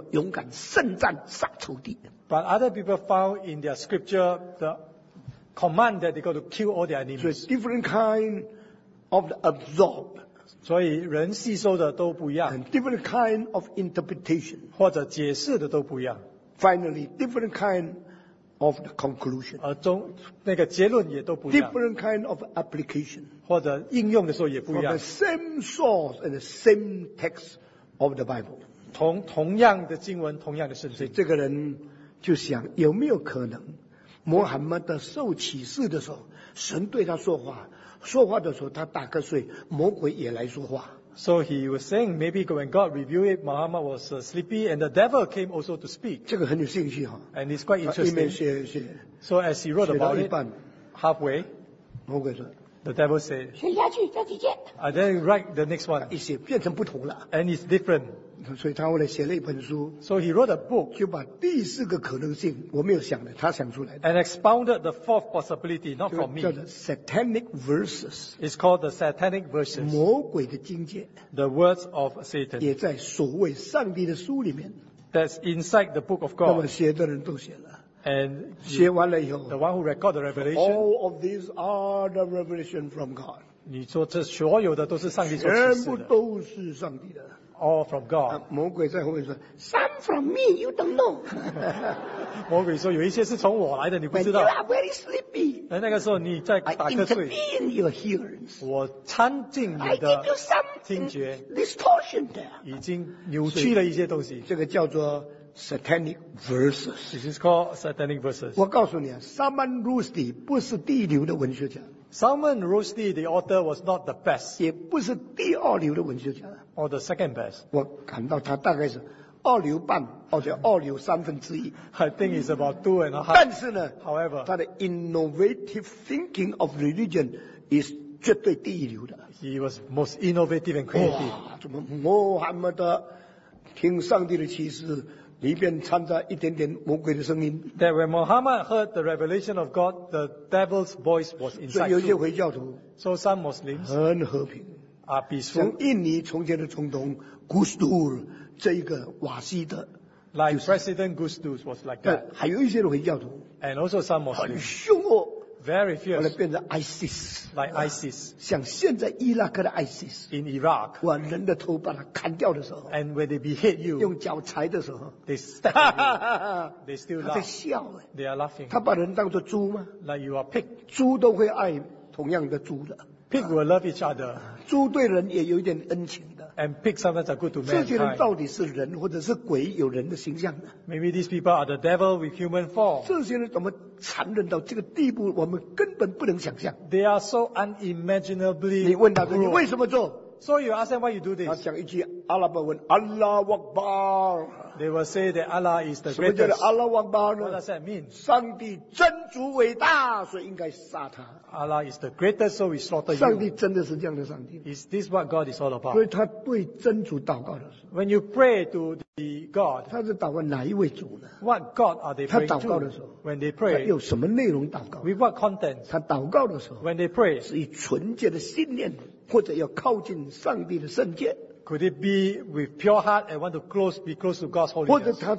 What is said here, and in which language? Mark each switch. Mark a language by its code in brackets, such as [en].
[zh] 但有一些回教徒从另外的回教的圣经节找到了一些叫他们要勇敢圣战杀仇敌, [en] but other people found in their scripture the command that they got to kill all their enemies. So it's different kind of the absorbed. [zh] 所以人吸收的都不一样, [en] and different kind of interpretation. [zh] 或者解释的都不一样, [en] finally, different kind of the conclusion. [zh] 那个结论也都不一样, [en] different kind of application. [zh] 或者应用的时候也不一样, [en] from the same source and the same text of the Bible. [zh] 同样的经文, 同样的圣经。这个人就想, 有没有可能, 摩罕默德受启示的时候, 神对他说话, 说话的时候他打瞌睡，魔鬼也来说话。 [en] So he was saying maybe when God revealed it, Muhammad was sleepy and the devil came also to speak. [zh] 这个很有兴趣哈。 [en] And it's quite interesting. [zh] 他一面写写, [en] so as he wrote about it, halfway, [zh] 魔鬼说, [en] the devil said, [zh] 写下去，再去见。 [en] And then write the next one. [zh] 一写变成不同了。 [en] And it's different. [zh] 所以他后来写了一本书, [en] so he wrote a book, [zh] 就把第四个可能性, 我没有想的, 他想出来的, [en] and expounded the fourth possibility, not from me. [zh] 叫做 satanic verses, [en] it's called the satanic verses, [zh] 魔鬼的经界, [en] the words of Satan, [zh] 也在所谓上帝的书里面, [en] that's inside the book of God. [zh] 那么写的人都写了, [en] and [zh] 写完了以后, [en] the one who record the revelation, all of these are the revelation from God. [zh] 你说这所有的都是上帝所启示的, 全部都是上帝的, [en] all from God. [zh] 魔鬼在后面说, [en] some from me, you don't know. [zh] 魔鬼说, 有一些是从我来的, 你不知道。 [en] You are very sleepy. [zh] 那个时候你在打瞌睡, [en] I intervene your hearings. [zh] 我参进你的, [en] I give you something distortion there. [zh] 已经扭曲了一些东西。这个叫做 satanic verses. [en] This is called satanic verses. [zh] 我告诉你, Salman Rushdie 不是第一流的文学家。 [en] Salman Rushdie, the author, was not the best. [zh] 也不是第二流的文学家。 [en] Or the second best. [zh] 我感到他大概是二流半, 或者二流三分之一。 [en] I think it's about two and a half. [zh] 但是呢, [en] however, [zh] 他的 [en] innovative thinking of religion is [zh] 绝对第一流的。 [en] He was most innovative and creative. [zh] 怎么摩罕默德听上帝的启示, 里边掺杂一点点魔鬼的声音。 [en] That when Muhammad heard the revelation of God, the devil's voice was inside. [zh] 所以有些回教徒, [en] so some Muslims, [zh] 很和平, [en] are peaceful. [zh] 像印尼从前的总统 Gusdur, 这一个瓦西德, [en] like President Gusdur was like that. [zh] 还有一些回教徒, [en] and also some Muslims, [zh] 很凶恶, [en] very fierce. [zh] 后来变成 ISIS, [en] like ISIS. [zh] 像现在伊拉克的 ISIS, [en] in Iraq. [zh] 把人的头把它砍掉的时候, [en] and when they behead you, [zh] 用脚踩的时候, [en] they stab you, they still laugh. [zh] 他在笑, [en] they are laughing. [zh] 他把人当作猪吗? [en] Like you are pig. [zh] 猪都会爱同样的猪的。 [en] Pig will love each other. [zh] 猪对人也有一点恩情的。 [en] and pick servants are good to mankind. [zh] 这些人到底是人或者是鬼有人的形象呢? [en] Maybe these people are the devil with human form. [zh] 这些人怎么残忍到这个地步, [en] they are so unimaginably [zh] 你问他说, [en] so you ask them why you do this. [zh] 他讲一句, [en] Allah will, [zh] Allah Akbar. [en] They will say that Allah is the greatest. [zh] 什么叫 Allah Akbar呢? [en] What does that mean? [zh] 上帝真主伟大, 所以应该杀他。 [en] Allah is the greatest, so we slaughter you. [zh] 上帝真的是这样的上帝。 [en] Is this what God is all about? [zh] 所以他对真主祷告的时候, [en] when you pray to the God, [zh] 他是祷告哪一位主呢? [en] What God are they praying [zh] 他祷告的时候, [en] to? When they pray, [zh] 他有什么内容祷告? [en] With what content? [zh] 他祷告的时候, [en] when they pray, [zh] 是以纯洁的信念, 或者要靠近上帝的圣洁。 [en] Could it be with pure heart and want to close, be close to God's holiness?